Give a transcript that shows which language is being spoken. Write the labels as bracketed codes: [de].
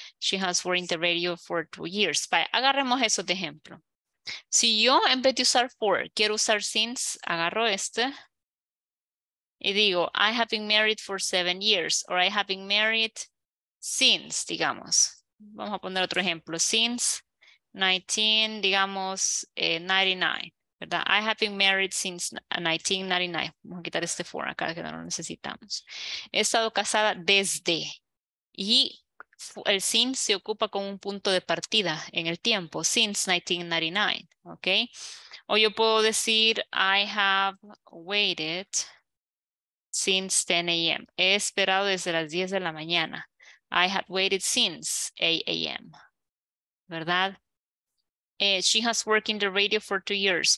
[en] She has worked in the radio for 2 years. [es] Vale, agarremos eso de ejemplo. Si yo, en vez de usar for, quiero usar since, agarro este. Y digo, [en] I have been married for 7 years. Or I have been married since, digamos. Vamos a poner otro ejemplo. Since 1999. ¿Verdad? I have been married since 1999. [es] Vamos a quitar este for acá que no lo necesitamos. He estado casada desde. Y el since se ocupa como un punto de partida en el tiempo. Since 1999. ¿Ok? O yo puedo decir [en] I have waited since 10 a.m. [es] He esperado desde las 10 de la mañana. [en] I have waited since 8 a.m. ¿Verdad? She has worked in the radio for 2 years.